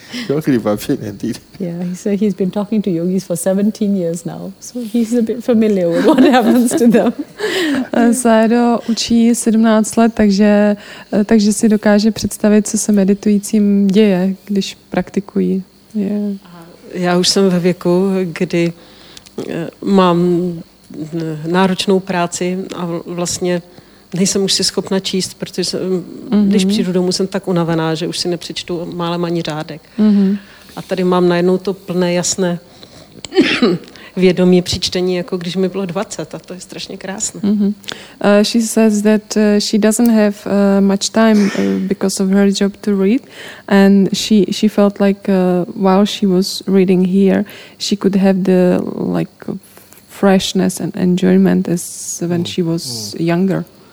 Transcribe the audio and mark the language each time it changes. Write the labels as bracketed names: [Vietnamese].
[English] Yeah, he said he's been talking to yogis for 17 years now, so he's a bit familiar with what happens to them. [Czech] Sayadaw učí 17 let, takže si dokáže představit, co se meditujícím děje, když praktikují. [English] Yeah. [Czech] Já už jsem ve věku, kdy mám náročnou práci a vlastně nejsem už si schopna číst, protože jsem, když přijdu domů, jsem tak unavená, že už si nepřečtu málem ani řádek. Mm-hmm. A tady mám najednou to plné, jasné vědomí při čtení, jako když mi bylo 20, a to je strašně krásné. Mm-hmm. [English] She says that she doesn't have much time because of her job to read, and she felt like while she was reading here, she could have the like freshness and enjoyment as when she was younger.